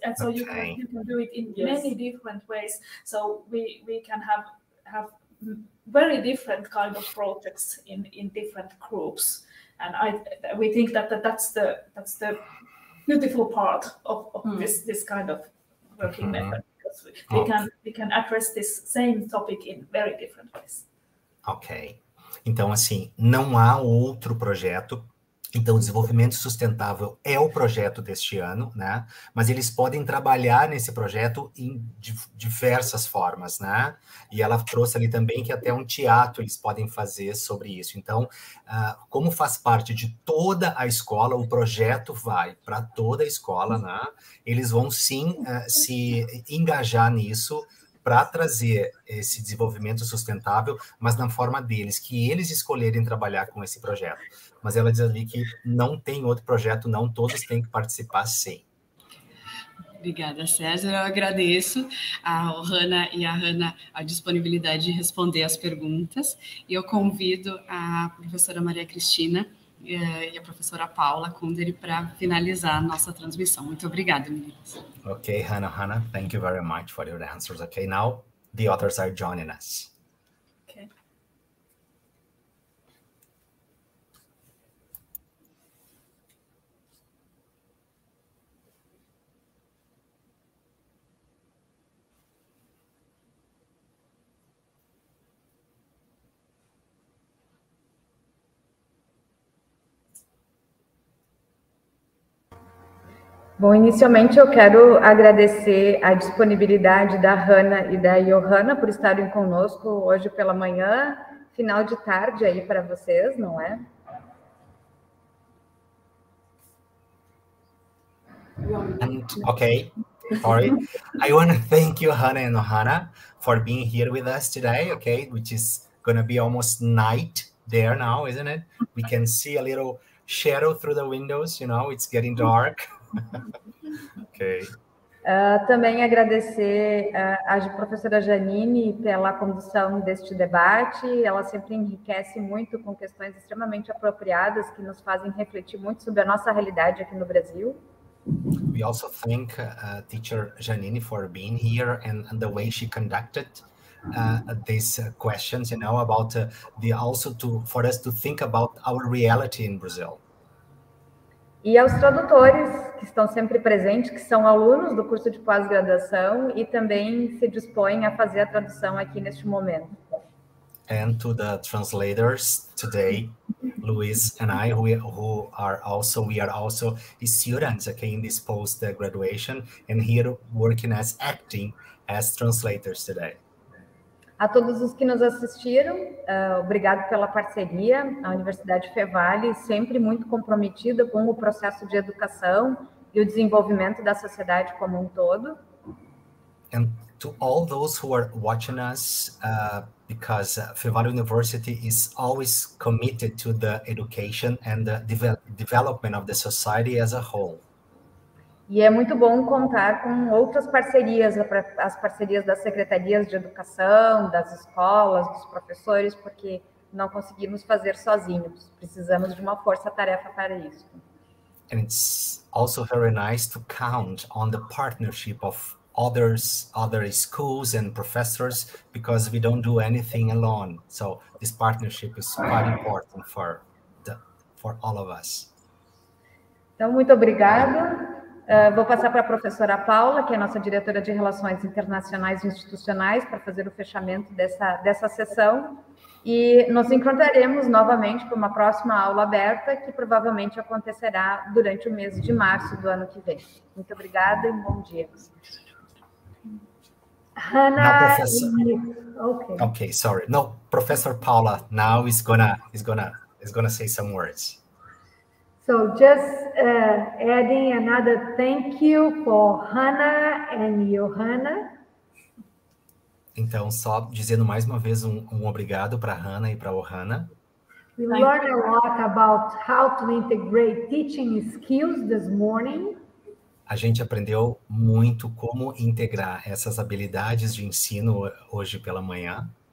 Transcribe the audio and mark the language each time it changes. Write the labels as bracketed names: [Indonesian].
[English] And so you can do it in many different ways. So we can have very different kind of projects in different groups. And we think that's the beautiful part of this kind of working method, because we can address this same topic in very different ways. [Portuguese] Okay. Então, assim, não há outro projeto. Então, desenvolvimento sustentável é o projeto deste ano, né? Mas eles podem trabalhar nesse projeto em diversas formas, né? E ela trouxe ali também que até um teatro eles podem fazer sobre isso. Então, como faz parte de toda a escola, o projeto vai para toda a escola, né? Eles vão, sim, se engajar nisso, para trazer esse desenvolvimento sustentável, mas na forma deles, que eles escolherem trabalhar com esse projeto. Mas ela diz ali que não tem outro projeto, não, todos têm que participar, sim. Obrigada, César. Eu agradeço ao Hanna e à Hanna a disponibilidade de responder as perguntas. E eu convido a professora Maria Cristina e a professora Paula Kunder para finalizar a nossa transmissão. Muito obrigada, meninas. [English] Okay, Hanna, thank you very much for your answers. Okay, now the others are joining us. Okay. [Portuguese] Bom, inicialmente eu quero agradecer a disponibilidade da Hanna e da Johanna por estarem conosco hoje pela manhã, final de tarde aí para vocês, não é? [English] Okay, sorry. I want to thank you, Hanna and Johanna, for being here with us today, okay? Which is going to be almost night there now, isn't it? We can see a little shadow through the windows, you know, it's getting dark. Okay. [Portuguese] Também agradecer à professora Janine pela condução deste debate. Ela sempre enriquece muito com questões extremamente apropriadas que nos fazem refletir muito sobre a nossa realidade aqui no Brasil. [English] We also thank teacher Janine for being here and the way she conducted these questions, you know, about for us to think about our reality in Brazil. [Portuguese] E aos tradutores, que estão sempre presentes, que são alunos do curso de pós-graduação e também se dispõem a fazer a tradução aqui neste momento. [English] And to the translators today, Luiz and I, we are also students, okay, in this post-graduation and here working as acting as translators today. [Portuguese] A todos os que nos assistiram, obrigado pela parceria. A Universidade Fevale, sempre muito comprometida com o processo de educação e o desenvolvimento da sociedade como um todo. [English] And to all those who are watching us, because Fevale University is always committed to the education and the development of the society as a whole. [Portuguese] E é muito bom contar com outras parcerias, as parcerias das secretarias de educação, das escolas, dos professores, porque não conseguimos fazer sozinhos. Precisamos de uma força-tarefa para isso. [English] And it's also very nice to count on the partnership of others, other schools and professors, because we don't do anything alone. So this partnership is quite important for all of us. [Portuguese] Então, muito obrigada. Vou passar para a professora Paula, que é nossa diretora de Relações Internacionais e Institucionais, para fazer o fechamento dessa sessão. E nos encontraremos novamente para uma próxima aula aberta, que provavelmente acontecerá durante o mês de março do ano que vem. Muito obrigada e bom dia. [English] Hanna, okay, sorry. No, professor Paula now is gonna say some words. So just adding another thank you for Hanna and Johanna. [Portuguese] Então, só dizendo mais uma vez um obrigado para Hanna e para Johanna. [English] We learned a lot about how to integrate teaching skills this morning. [Portuguese] A gente aprendeu muito como integrar essas habilidades de ensino hoje pela manhã.